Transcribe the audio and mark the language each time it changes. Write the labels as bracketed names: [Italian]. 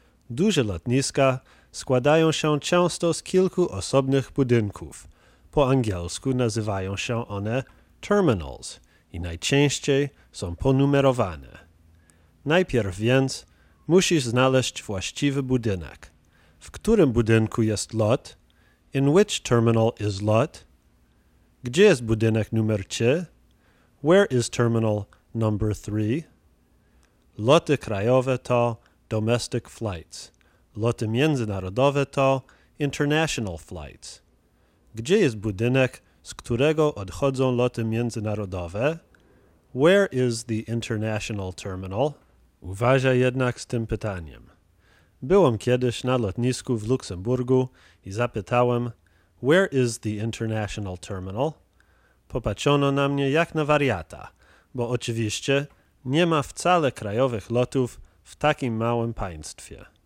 [Polish] Duże lotniska składają się często z kilku osobnych budynków. Po angielsku nazywają się one terminals i najczęściej są ponumerowane. Najpierw więc musisz znaleźć właściwy budynek. W którym budynku jest lot? [English] In which terminal is lot? [Polish] Gdzie jest budynek numer 3? [English] Where is terminal number 3? [Polish] Loty krajowe to [English] domestic flights. [Polish] Loty międzynarodowe to [English] international flights. [Polish] Gdzie jest budynek, z którego odchodzą loty międzynarodowe? [English] Where is the international terminal? [Polish] Uważaj jednak z tym pytaniem. Byłem kiedyś na lotnisku w Luksemburgu i zapytałem: [English] Where is the international terminal? [Polish] Popatrzono na mnie jak na wariata, bo oczywiście nie ma wcale krajowych lotów w takim małym państwie.